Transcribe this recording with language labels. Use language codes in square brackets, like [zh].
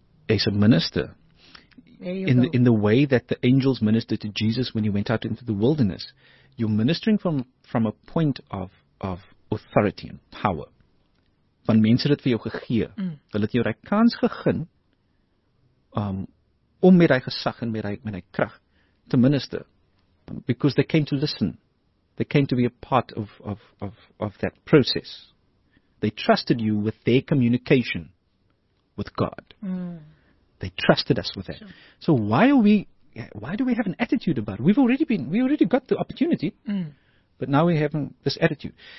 [en] As a minister, in the way that the angels ministered to Jesus when he went out into the wilderness, you're ministering from a point of authority and power. [af] van mense dit vir jou gegee. Mm. Hulle het jou die kans gegin om met die gesag en met die krag te minister. [en] Because they came to listen. They came to be a part of that process. They trusted you with their communication with God. Mm. They trusted us with that. Sure. So why do we have an attitude about it? We already got the opportunity, but now we have this attitude.